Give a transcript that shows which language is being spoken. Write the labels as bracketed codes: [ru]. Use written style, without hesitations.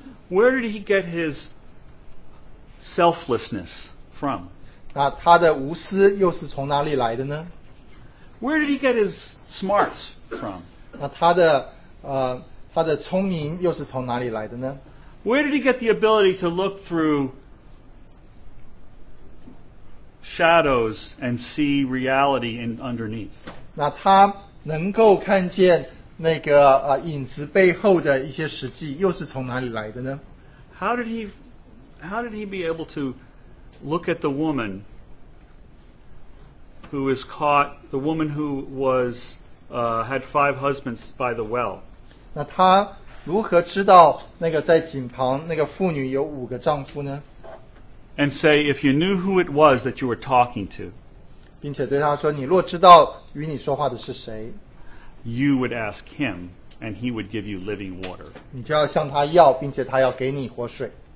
[en] Where did He get His selflessness from? [zh] 那他的无私又是从哪里来的呢? [en] Where did he get his smarts from? [zh] 那他的, 他的聪明又是从哪里来的呢? [en] Where did he get the ability to look through shadows and see reality in underneath? [zh] 那他能够看见那个, 影子背后的一些实际, 又是从哪里来的呢? [en] How did he be able to look at the woman who is caught, the woman who was had five husbands by the well. [zh] 那她如何知道那个在井旁那个妇女有五个丈夫呢? [en] And say, if you knew who it was that you were talking to, [zh] 并且对她说,你若知道与你说话的是谁, [en] you would ask him, and he would give you living water. [zh] 你就要向他要,并且他要给你活水。